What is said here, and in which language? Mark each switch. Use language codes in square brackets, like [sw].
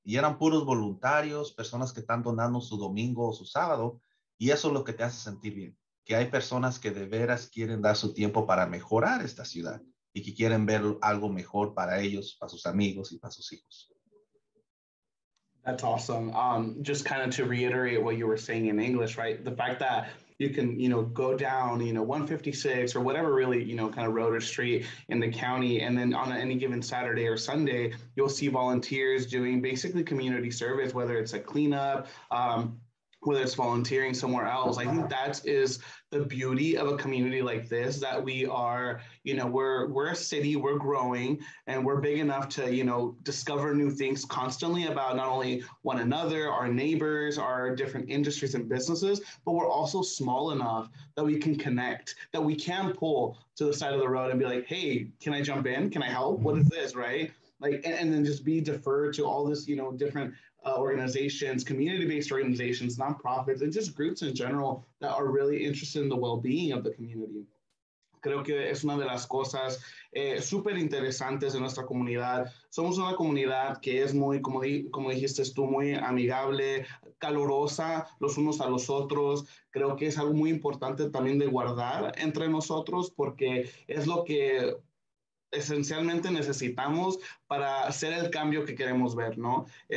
[es] Y eran puros voluntarios, personas que están donando su domingo o su sábado. Y eso es lo que te hace sentir bien. Que hay personas que de veras quieren dar su tiempo para mejorar esta ciudad y que quieren ver algo mejor para ellos, para sus amigos y para sus hijos. [en] That's awesome. Just kind of to reiterate what you were saying in English, right? The fact that you can, you know, go down, you know, 156 or whatever, really, you know, kind of road or street in the county. And then on any given Saturday or Sunday, you'll see volunteers doing basically community service, whether it's a cleanup, whether it's volunteering somewhere else. I think that is the beauty of a community like this, that we are, you know, we're a city, we're growing, and we're big enough to, you know, discover new things constantly about not only one another, our neighbors, our different industries and businesses, but we're also small enough that we can connect, that we can pull to the side of the road and be like, hey, can I jump in? Can I help? What is this, right? Like, and then just be deferred to all this, you know, different organizations, community-based organizations, nonprofits, and just groups in general that are really interested in the well-being of the community. [es] Creo que es una de las cosas súper interesantes de nuestra comunidad. Somos una comunidad que es muy, como dijiste tú, muy amigable, calurosa los unos a los otros. Creo que es algo muy importante también de guardar entre nosotros porque es lo que esencialmente necesitamos para hacer el cambio que queremos ver, ¿no?